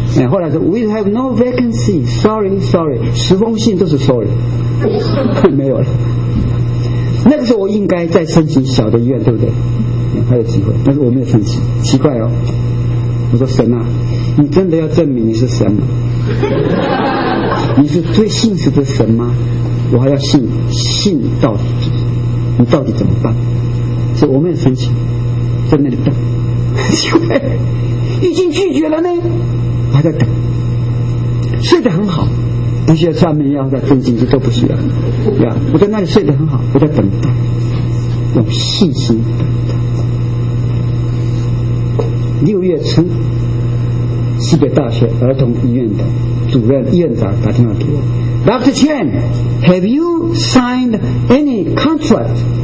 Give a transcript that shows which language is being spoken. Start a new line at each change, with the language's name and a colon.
Chinese: 后来说 We have no vacancy， sorry sorry，十封信都是 sorry，没有了。那个时候我应该再申请小的医院，对不对？还有机会，但是我没有申请，奇怪哦。我说神啊，你真的要证明你是神吗？你是最信实的神吗？我还要信到底，你到底怎么办？所以我没有申请，在那里等，奇怪，已经拒绝了呢，还在等，睡得很好，不需要专门药，再针进去都不需要。呀，我在那里睡得很好，我在等待，用信心等待。六月初，西北大学儿童医院的主任院长打电话给我 ，Dr.
English: Chen， have you signed any contract？